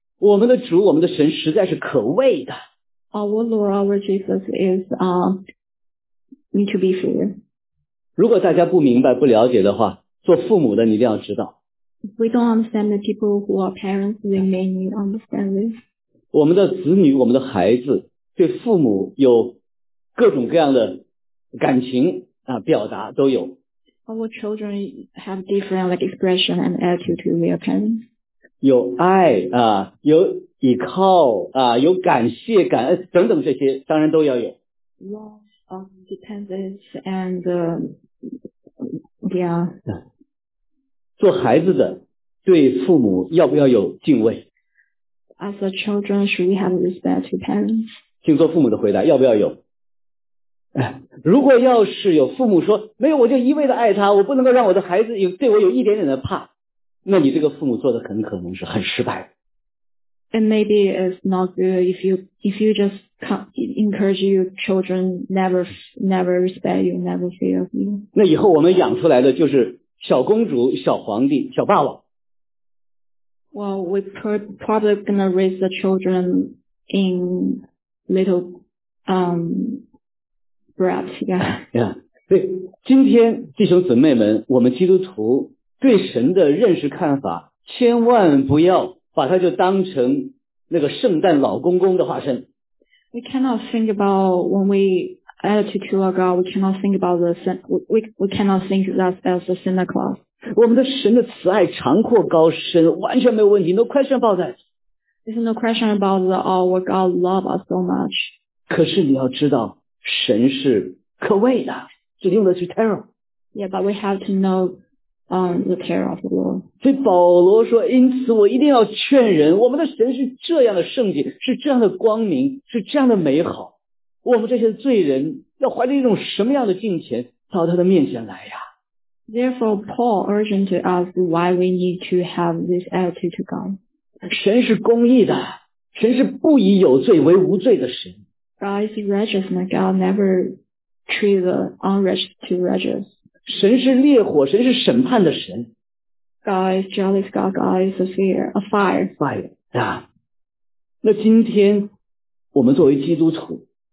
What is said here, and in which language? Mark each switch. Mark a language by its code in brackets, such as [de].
[zh] 我们的主，我们的神实在是可畏的。 [en] Our Lord, our Jesus is need to be feared. [zh] 如果大家不明白、不了解的话，做父母的你一定要知道。 [en] If we don't understand the people who are parents, they may need understand this. [zh] 我们的子女、我们的孩子对父母有各种各样的感情。啊，表达都有。 [en] Our children have different like expression and attitude to their parents. [zh] 有爱啊，有依靠啊，有感谢感恩等等，这些当然都要有。 [en] Love, dependence and yeah. [zh] 做孩子的对父母要不要有敬畏 [en] ？As a children, should we have respect to parents? [zh] 请做父母的回答，要不要有？如果要是有父母说没有，我就一味的爱他，我不能够让我的孩子有对我有一点点的怕，那你这个父母做的很可能是很失败的。 [en] And maybe it's not good if you just encourage your children never respect you, never fear of you. [zh] 那以后我们养出来的就是小公主、小皇帝、小霸王。 [en] Well, we probably gonna raise the children in little breath, yeah. Yeah. [zh] 对，今天弟兄姊妹们，我们基督徒对神的认识看法，千万不要把它就当成那个圣诞老公公的化身。 [en] We cannot think about when we attitude to our God. We cannot think about the we cannot think that as a Santa Claus. [zh] 我们的神的慈爱长阔高深，完全没有问题 ， [en] no question about that. There's no question about our God love us so much. [zh] 可是你要知道。神是可畏的，只用的是 terror。 [en] Yeah, but we have to know the terror of the Lord. [zh] 所以保罗说，因此我一定要劝人，我们的神是这样的圣洁，是这样的光明，是这样的美好。我们这些罪人要怀着一种什么样的敬虔到他的面前来呀？ [en] Therefore, Paul urged to us why we need to have this attitude to God. [zh] 神是公义的，神是不以有罪为无罪的神。 [en] God is righteous, and God never treat the unrighteous to righteous. [zh] 神是烈火，神是审判的神。 [en] God is jealous, God is a fear, a fire. Fire, yeah. [zh] 那今天我们作为基督徒